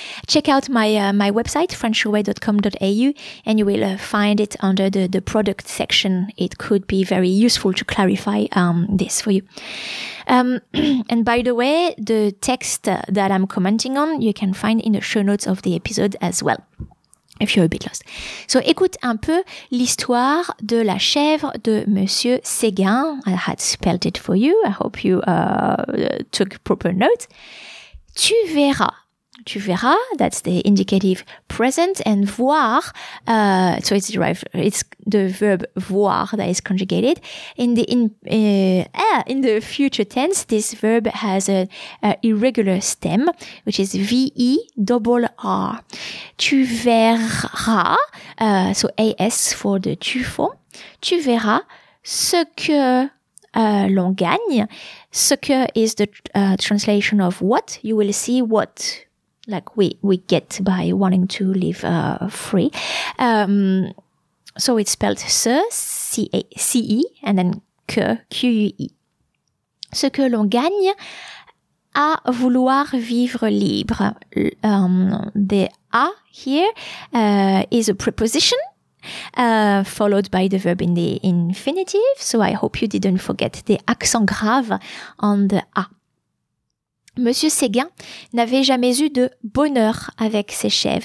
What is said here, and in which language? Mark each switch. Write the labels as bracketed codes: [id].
[en] Check out my my website, frenchway.com.au, and you will find it under the product section. It could be very useful to clarify this for you. And by the way, the text that I'm commenting on, you can find in the show notes of the episode as well. If you're a bit lost. [fr] So, écoute un peu l'histoire de la chèvre de Monsieur Séguin. [en] I had spelled it for you. I hope you took proper notes. [fr] Tu verras. Tu verras. [en] That's the indicative present. And voir. So, it's derived. It's the verb voir that is conjugated. In the future tense, this verb has an irregular stem, which is V-E double R. [fr] Tu verras, [en] so A-S for the tu form, [fr] tu verras ce que l'on gagne. [en] Ce que is the translation of what. You will see what, like we get by wanting to live free. So it's spelled ce, C-E, and then que, Q-U-E. [fr] Ce que l'on gagne à vouloir vivre libre. [en] The A here is a preposition followed by the verb in the infinitive. So I hope you didn't forget the accent grave on the A. [fr] Monsieur Séguin n'avait jamais eu de bonheur avec ses chèvres.